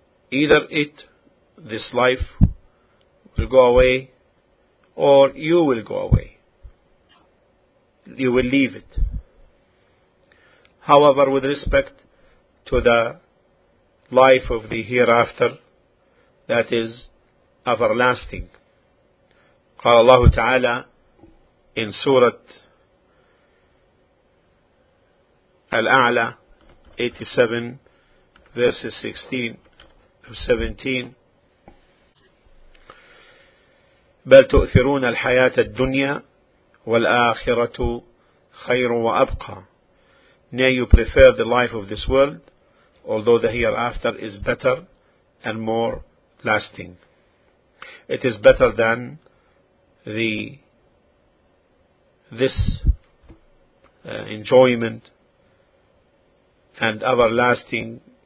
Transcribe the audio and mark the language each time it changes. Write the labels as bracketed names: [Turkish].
[English] Either it, this life, will go away, or you will go away. You will leave it. However, with respect to the life of the hereafter, that is everlasting. [Arabic] قال الله تعالى [English] in Surah Al-A'la 87 verses 16 to 17, [Arabic] بل تؤثرون الحياة الدنيا والآخرة خير وأبقى. [English] Nay, you prefer the life of this world, although the hereafter is better and more lasting. It is better than this enjoyment and everlasting.